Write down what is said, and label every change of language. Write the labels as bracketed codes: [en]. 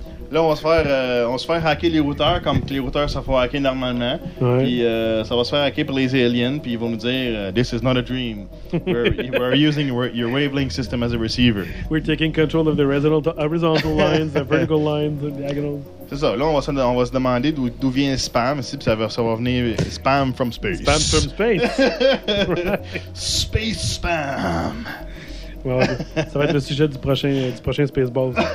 [fr] Là, on va se faire hacker les routeurs comme que les routeurs se font hacker normalement. Ouais. Puis ça va se faire hacker par les aliens. Puis ils vont nous dire: [en] This is not a dream. We're using your wavelength system as a receiver. We're taking control of the horizontal lines, the vertical lines, the diagonals. [fr] C'est ça. Là, on va se demander d'où vient spam ici. Puis ça va venir [en] spam from space. Spam from space. Space spam. [fr] Ouais, ça va être le sujet du prochain Spaceballs.